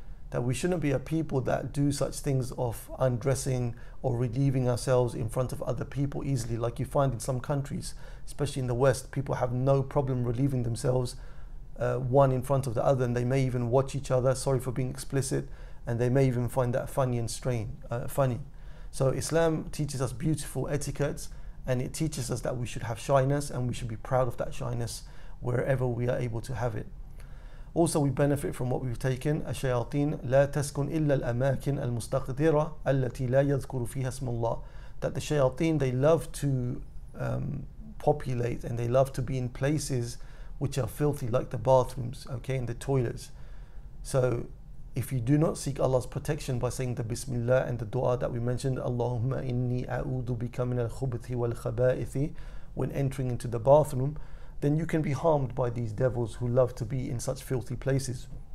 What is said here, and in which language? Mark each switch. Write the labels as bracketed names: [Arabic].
[English] That we shouldn't be a people that do such things of undressing or relieving ourselves in front of other people easily, like you find in some countries, especially in the West, people have no problem relieving themselves one in front of the other, and they may even watch each other, sorry for being explicit, and they may even find that funny and funny. So Islam teaches us beautiful etiquettes, and it teaches us that we should have shyness, and we should be proud of that shyness wherever we are able to have it. Also, we benefit from what we've taken. [Arabic] الشياطين لا تسكن إلا الأماكن المستقدرة التي لا يذكر فيها اسم الله. [English] That the shayateen, they love to populate, and they love to be in places which are filthy, like the bathrooms, okay, and the toilets. So if you do not seek Allah's protection by saying the Bismillah and the dua that we mentioned, [Arabic] Allahumma inni a'udu bika min al-khubuthi wal-khaba'ithi, [English] when entering into the bathroom, then you can be harmed by these devils who love to be in such filthy places.